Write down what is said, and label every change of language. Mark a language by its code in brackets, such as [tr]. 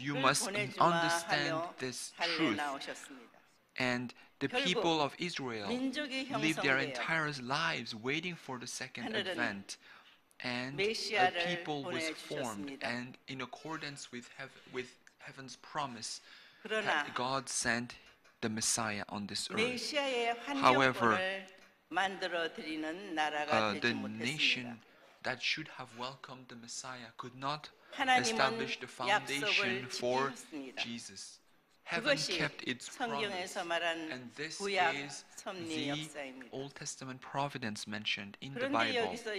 [en] You must understand this truth. And the people of Israel lived their entire lives waiting for the second advent, and a people was formed, and in accordance with Heaven's promise, God sent the Messiah on this earth. However, [ko] 만들어 드리는 나라가 되지 못했습니다. [en] The nation that should have welcomed the Messiah could not establish the foundation for Jesus. Heaven kept its promise, and this is the Old Testament providence mentioned in the Bible.